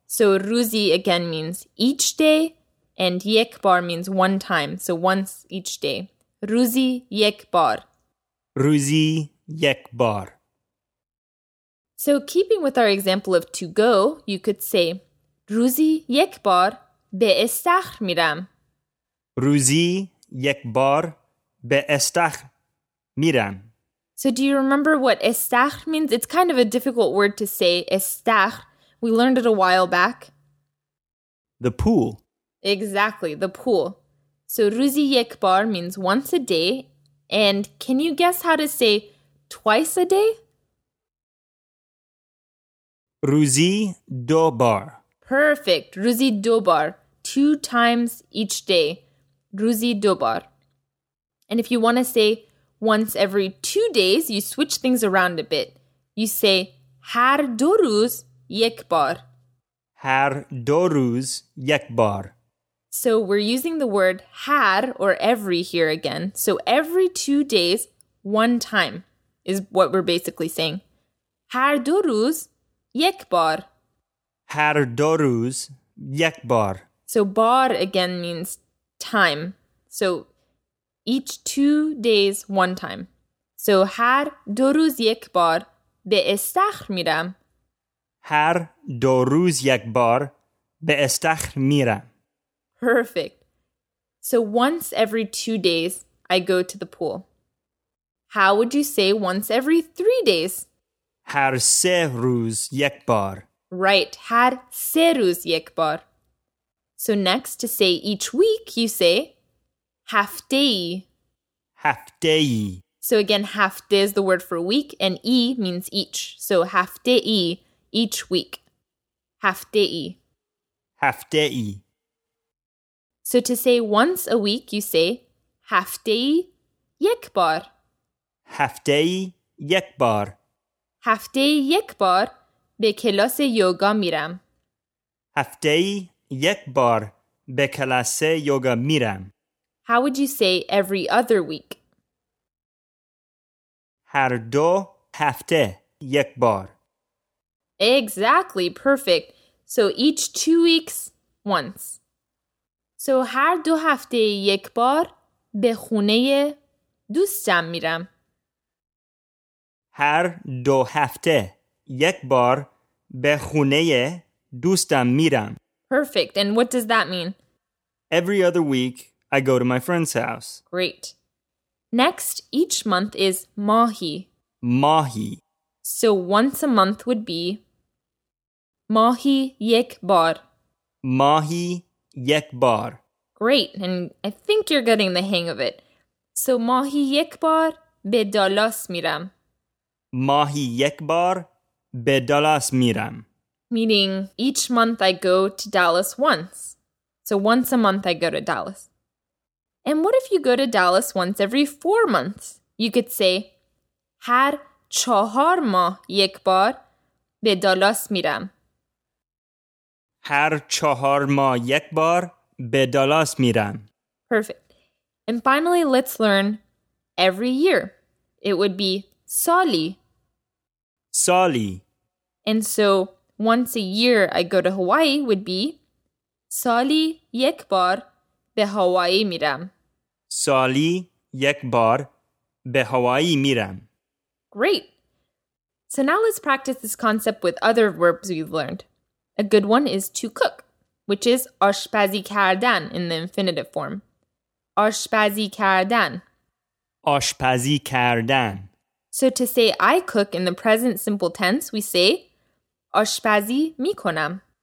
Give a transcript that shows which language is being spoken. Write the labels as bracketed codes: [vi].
[en] So روزی again means each day, and یک بار means one time, so once each day. [fa] روزی یک بار. روزی یک بار. [en] So keeping with our example of to go, you could say [fa] روزی یک بار به استخر میرم. روزی یک بار به استخر میرم. [en] So do you remember what استخر means? It's kind of a difficult word to say, استخر. We learned it a while back. The pool. Exactly, the pool. So [fa] روزی یک بار [en] means once a day. And can you guess how to say twice a day? [fa] روزی دو بار. [en] Perfect. [fa] روزی دو بار. [en] Two times each day. [fa] روزی دو بار. [en] And if you want to say once every 2 days, you switch things around a bit. You say [fa] هر دو روز یک بار. هر دو روز یک بار. [en] So we're using the word هر or every here again. So every 2 days, one time is what we're basically saying. [fa] هر دو روز یک بار. هر دو روز یک بار. [en] So بار again means time. So each 2 days, one time. [fa] So هر دو روز یک بار به استخر میرم. هر دو روز یک بار به استخر میرم. [en] Perfect. So once every 2 days, I go to the pool. How would you say once every 3 days? [fa] هر سه روز یک بار. Right. هر سه روز یک بار. [en] So next, to say each week, you say هفته‌ای. [fa] هفته‌ای. [en] So again, هفته is the word for week, and ای means each. So هفته‌ای, each week. [fa] هفته‌ای. هفته‌ای. [en] So to say once a week, you say [fa] هفته‌ای یک بار. هفته‌ای یک بار. هفته‌ای یک بار به کلاس یوگا میرم. هفته‌ای یک بار به کلاس یوگا میرم. [en] How would you say every other week? [fa] هر دو هفته یک بار. [en] Exactly, perfect. So each 2 weeks, once. [fa] So هر دو هفته یک بار به خونه دوستم میرم. هر دو هفته یک بار به خونه دوستم میرم. [en] Perfect. And what does that mean? Every other week, I go to my friend's house. Great. Next, each month is ماهی. [fa] ماهی. [en] So once a month would be [fa] ماهی یک بار. ماهی یک بار. [en] Great, and I think you're getting the hang of it. [fa] So ماهی یک بار به دالاس میرم. ماهی یک بار به دالاس میرم. [en] Meaning, each month I go to Dallas once. So once a month I go to Dallas. And what if you go to Dallas once every 4 months? You could say, [fa] هر چهار ماه یک بار به دالاس میرم. هر چهار ماه یک بار به دالاس میرم. [en] Perfect. And finally, let's learn every year. It would be سالی. [fa] سالی. [en] And so, once a year I go to Hawaii would be [fa] سالی یک بار به هوایی میرم. سالی یک بار به هوایی میرم. [en] Great! So now let's practice this concept with other verbs we've learned. A good one is to cook, which is [fa] آشپزی کردن [en] in the infinitive form. [fa] آشپزی کردن. آشپزی کردن. [en] So to say I cook in the present simple tense, we say [fa] آشپزی می کنم.